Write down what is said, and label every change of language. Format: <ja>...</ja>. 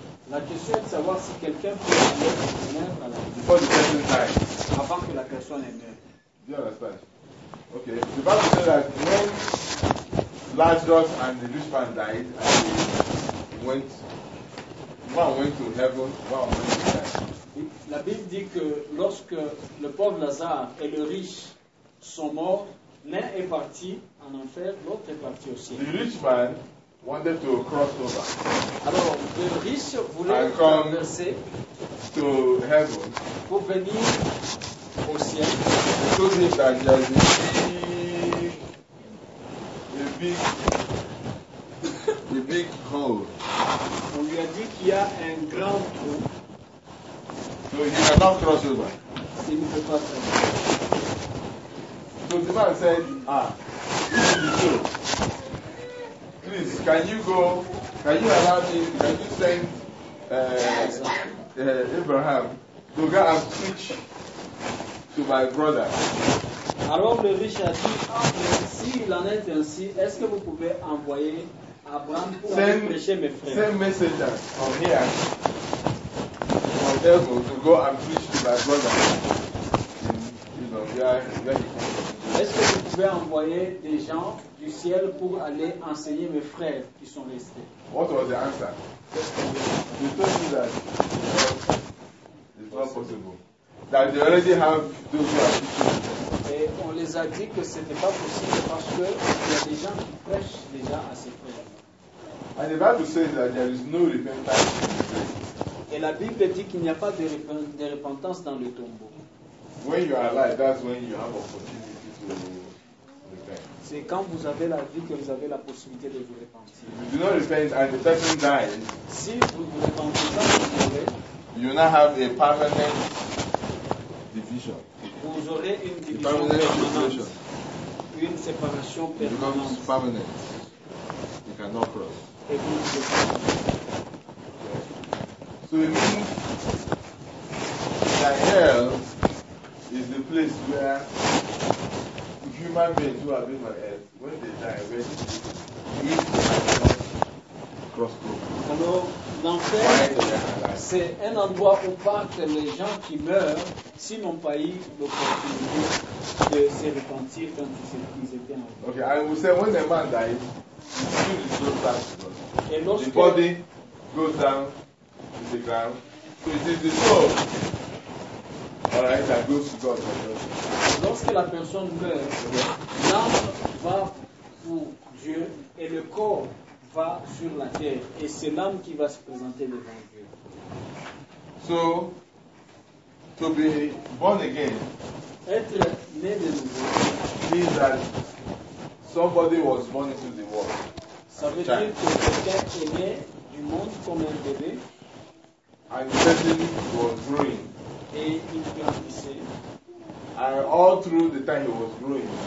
<fr>La question est de savoir si quelqu'un peut aller de la lumière à la lumière.</fr> <en>Before the person dies.</en> <fr>Avant que la personne est née.</fr> <en>Do you understand? Okay. The Bible says that when Lazarus and the rich man died, and he went, one went to heaven, one went to hell.</en> <fr>La Bible dit que lorsque le pauvre Lazare et le riche sont morts, l'un est parti en enfer, l'autre est parti au ciel.</fr> <en>The rich man wanted to cross over.</en> <fr>Alors, le riche voulait traverser</fr> <en>to heaven</en> <fr>pour venir au ciel.</fr> <en>So that there is a big, hole.</en> <fr>On lui a dit qu'il y a un grand trou.</fr> <en>So he cannot cross over.</en> <fr>Il ne peut pas traverser.</fr> <en>So the man said, ah, this is the truth. Please, can you go? Can you allow me? Can you send Abraham to go and preach to my brother?</en> <fr>Alors le riche a dit, ah, s'il en est ainsi, est-ce que vous pouvez envoyer Abraham pour</fr> <en>send,</en> <fr>prêcher mes frères?</fr> <en>Same messenger from here, from heaven, to go and preach to my brother.</en> <fr>Est-ce que vous pouvez envoyer des gens du ciel pour aller enseigner mes frères qui sont restés?</fr> <en>What was the answer? They told you that it's not possible. That they already have those who are teaching.</en> <fr>Et on les a dit que ce n'était pas possible parce qu'il y a des gens qui prêchent déjà à ses frères.</fr> <en>And the Bible says that there is no repentance in the grave.</en> <fr>Et la Bible dit qu'il n'y a pas de repentance dans le tombeau.</fr> <en>When you are alive, that's when you have opportunity to repent.</en> <fr>C'est quand vous avez la vie que vous avez la possibilité de vous repentir.</fr> <en>If you do not repent and the person dies,</en> <fr>si vous vous repentez pas, vous mourrez,</fr> <en>you now have a permanent division.</en> <fr>Vous aurez une division permanente. Une séparation permanente.</fr> <en>It becomes permanent. You cannot cross.</en> <fr>Et vous ne pouvez pas.</fr> <en>So it means that hell is the place where human beings who have been on earth, when they die, where they eat and cross through.</en> <fr>Alors, l'enfer, c'est un endroit où partent les gens qui meurent s'ils n'ont pas eu l'opportunité de se repentir quand ils étaient en vie.</fr> <en>Okay, I will say when a man dies, he still is so bad.</en> <fr>Et lorsque</fr> <en>the body goes down to the ground, so it is the soul.</en> <fr>Lorsque la personne meurt, l'âme va pour Dieu et le corps va sur la terre et c'est l'homme qui va se présenter devant Dieu.</fr> <en>So, to be born again,</en> <fr>être né de nouveau,</fr> <en>means that somebody was born into the world.</en> <fr>Ça veut dire que quelqu'un est né du monde comme un bébé.</fr> <en>And the person was growing.</en> <fr>Et il grandissait.</fr> <en>And all through the time he was growing.</en>